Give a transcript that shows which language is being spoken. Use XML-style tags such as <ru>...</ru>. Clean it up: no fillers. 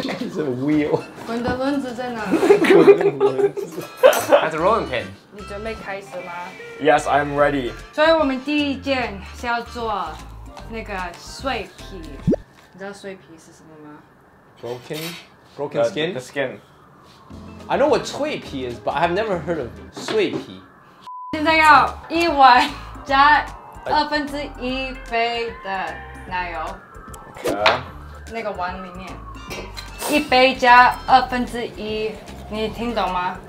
<zh>什么 wheel，滚的轮子在哪？滚的轮子</zh> <en>，That's a rolling pin。</en> <zh>你准备开始吗</zh> <en>？Yes, I'm ready。</en> <zh>所以我们第一件是要做那个碎皮，你知道碎皮是什么吗</zh> <en>？Broken skin， the skin。 I know what 脆皮 is, but I have never heard of 碎皮。</en> <zh>现在要一碗加二分之一杯的奶油。</zh> <en>Okay.</en> <zh>那个碗里面，一杯加二分之一，你听懂吗？</zh>